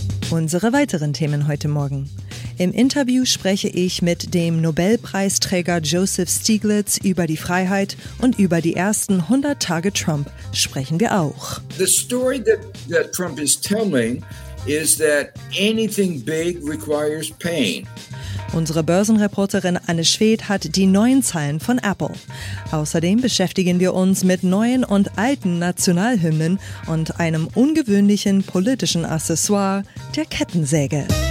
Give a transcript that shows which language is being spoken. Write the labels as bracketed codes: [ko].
[de] Unsere weiteren Themen heute Morgen. Im Interview spreche ich mit dem Nobelpreisträger Joseph Stiglitz über die Freiheit und über die ersten 100 Tage Trump sprechen wir auch. [en] The story that Trump is telling is that anything big requires pain. [de] Unsere Börsenreporterin Anne Schwedt hat die neuen Zahlen von Apple. Außerdem beschäftigen wir uns mit neuen und alten Nationalhymnen und einem ungewöhnlichen politischen Accessoire, der Kettensäge.